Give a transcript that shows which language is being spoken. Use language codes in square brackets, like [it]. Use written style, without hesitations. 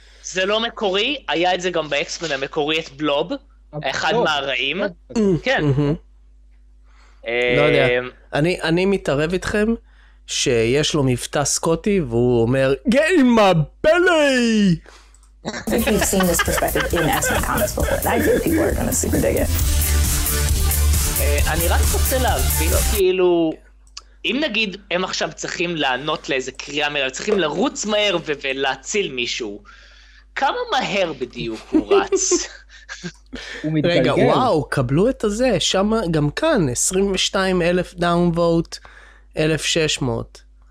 [he] זה לא מקורי, היה את זה גם באקסמן המקורי, את בלוב. אחד מהרעים. כן. לא יודע, אני מתערב איתכם שיש לו מבטא סקוטי והוא אומר [en] Get in my belly! I think we've seen this perspective in Aspen comments before. I think people are gonna super dig it. [he] אני רק רוצה להבין כאילו אם נגיד הם עכשיו צריכים לענות לאיזה קריאה מהר, צריכים לרוץ מהר ולהציל מישהו, כמה מהר בדיוק הוא רץ? רגע, וואו, קבלו את הזה, שם גם כאן, 22,000 דאונווט, 1,600.